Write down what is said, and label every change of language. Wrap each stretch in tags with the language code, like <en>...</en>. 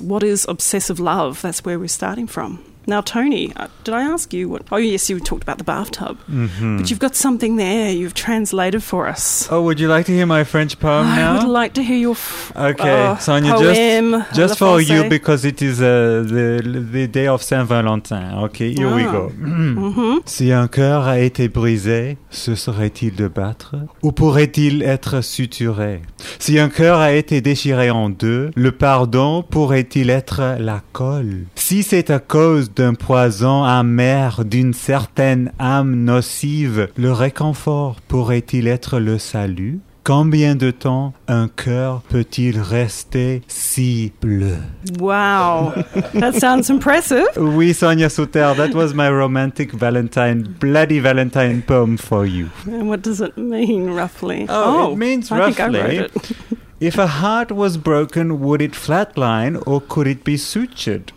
<en>What is obsessive love? That's where we're starting from. Now, Tony, did I ask you what... Oh, yes, you talked about the bathtub. Mm-hmm. But you've got something there you've translated for us. Oh, would you like to hear my French poem now? I would like to hear your Sonia, poem. Just for you, because it is the day of Saint-Valentin. Okay, here we go.</en> <fr>Si un cœur a été brisé, ce serait-il de battre? Ou pourrait-il être suturé? Si un cœur a été déchiré en deux, le pardon pourrait-il être la colle? Si c'est à cause d'un poison amer, d'une certaine âme nocive, le réconfort pourrait-il être le salut? Combien de temps un cœur peut-il rester si bleu?</fr> <en>Wow, that sounds impressive. Oui, Sonia Souter, that was my romantic Valentine, bloody Valentine poem for you. And what does it mean, roughly? Oh, it means roughly. I think I wrote it. If a heart was broken, would it flatline or could it be sutured?</en>